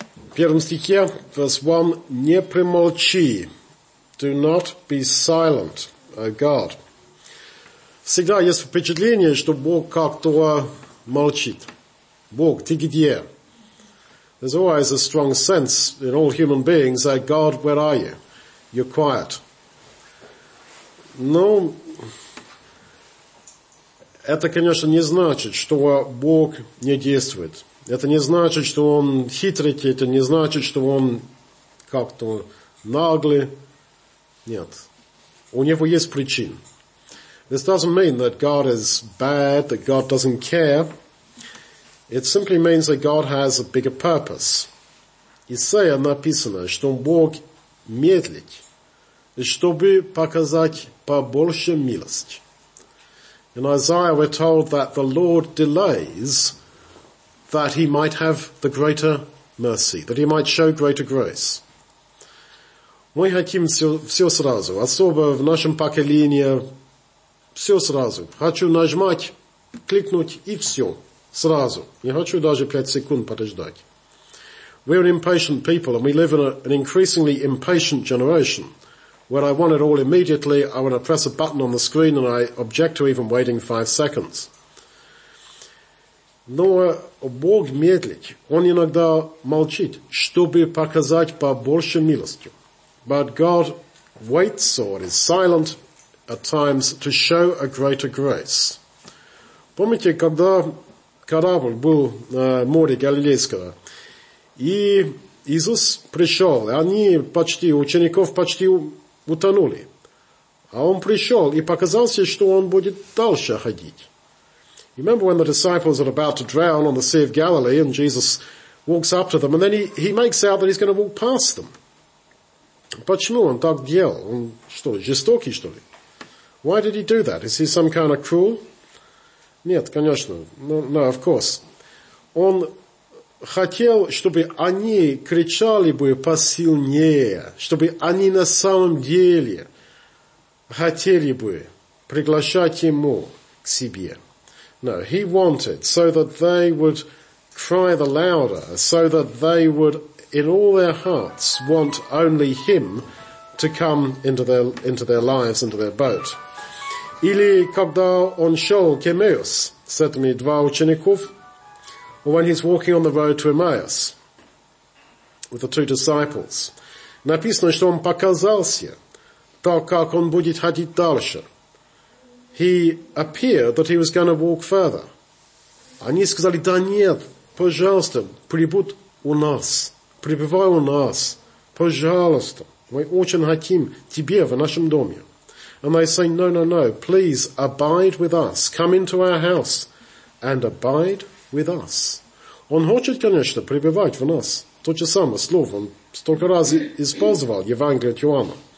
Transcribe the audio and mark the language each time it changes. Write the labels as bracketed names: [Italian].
[Russian] В первом стихе, [English] verse 1, [Russian] не примолчи. [English] Do not be silent, O God. [Russian] Всегда есть впечатление, что Бог как-то молчит. Бог, ты где? [English] There's always a strong sense in all human beings that God, where are you? You're quiet. [Russian] Но это, конечно, не значит, что Бог не действует. Это не значит, что Он хитрит, это не значит, что Он как-то наглый. Нет. У Него есть причины. [English] This doesn't mean that God is bad, that God doesn't care. It simply means that God has a bigger purpose. [Russian] Исайя написано, что Бог медлит, чтобы показать побольше милости. [English] In Isaiah we're told that the Lord delays that he might have the greater mercy, that he might show greater grace. [Russian] Мы хотим все сразу, особо в нашем поколении, все сразу. Хочу нажимать, кликнуть и все, сразу. Не хочу даже 5 секунд подождать. [English] We're an impatient people and we live in an increasingly impatient generation. When I want it all immediately, I want to press a button on the screen and I object to even waiting 5 seconds. [Russian] Но Бог медлит, Он иногда молчит, чтобы показать побольше милости. [English] But God waits or is silent at times to show a greater grace. [Russian] Помните, когда корабль был на море Галилейского, и Иисус пришел, и они почти, учеников почти утонули. А Он пришел и показался, что Он будет дальше ходить. [English] Remember when the disciples are about to drown on the Sea of Galilee and Jesus walks up to them and then he makes out that he's going to walk past them. [Russian] Почему он так делал? Он что, жестокий, что ли? [English] Why did he do that? Is he some kind of cruel? [Russian] Нет, конечно. [English] No, of course. [Russian] Он хотел, чтобы они кричали бы посильнее, чтобы они на самом деле хотели бы приглашать ему к себе. [English] No, he wanted so that they would cry the louder, so that they would, in all their hearts, want only him to come into their lives, into their boat. [Russian] Или когда он шел к Эммаус, с этими два учеников, [English] or when he's walking on the road to Эммаус with the two disciples, [Russian] написано, что он показался, так как он будет ходить дальше. [English] He appeared that he was going to walk further. [Russian] Они сказали, да нет, пожалуйста, пребывай у нас, пожалуйста. Мы очень хотим тебе в нашем доме. [English] And they say, no, please abide with us. Come into our house and abide with us. [Russian] Он хочет, конечно, пребывать в нас. То же самое слово, он столько раз использовал Евангелие от Иоанна.